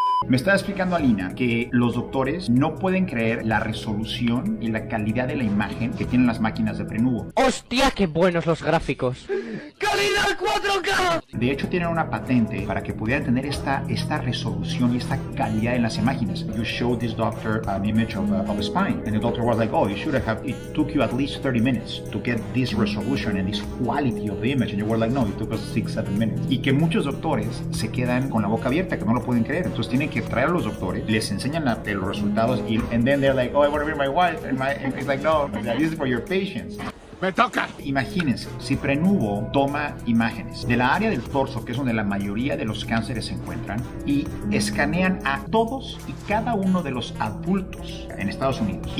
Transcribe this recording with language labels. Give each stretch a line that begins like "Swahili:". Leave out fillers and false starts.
Spanish: Me estaba explicando Alina que los doctores no pueden creer la resolución y la calidad de la imagen que tienen las máquinas de prenubo. ¡Hostia, qué buenos los gráficos! ¡Calidad 4K! De hecho, tienen una patente para que pudieran tener esta resolución y esta calidad en las imágenes.
English: You showed this doctor an image of a spine. And the doctor was like, oh, you should have. It took you at least 30 minutes to get this resolution and this quality of the image. And you were like, no, it took us 6-7 minutes.
Spanish: Y que muchos doctores se quedan con la boca abierta, que no lo pueden creer. Entonces, tienen que traer a los doctores, les enseñan los resultados y
English: then they're like, oh, I want to be my wife. And it's like, no, this is for your patients.
Spanish: ¡Me toca! Imagínense, si prenubo toma imágenes de la área del torso, que es donde la mayoría de los cánceres se encuentran, y escanean a todos y cada uno de los adultos en Estados Unidos.